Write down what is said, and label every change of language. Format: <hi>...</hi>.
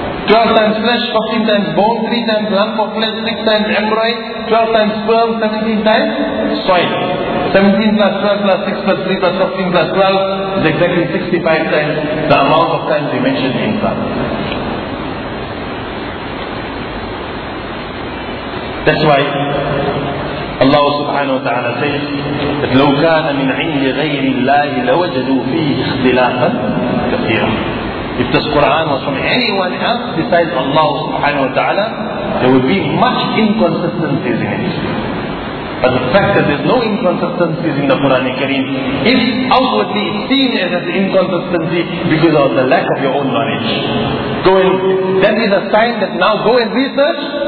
<en>12 times flesh, 15 times bone, 3 times lump of flesh, 6 times embryo, 12 times sperm, 17 times soil. 17 plus 12 plus 6 plus 3 plus 15 plus 12 is exactly 65 times the amount of times he mentioned in Islam. That's why Allah subhanahu wa ta'ala says that</en> <ar>لو كان من عند غير الله لوجدوا فيه اختلافا كثيرا.</ar> <en>If this Quran was from anyone else besides Allah subhanahu wa ta'ala, there would be much inconsistencies in it. But the fact that there's no inconsistencies in the Quran Kareem, if outwardly it's seen as an inconsistency because of the lack of your own knowledge, go and that is a sign that now go and research.</en>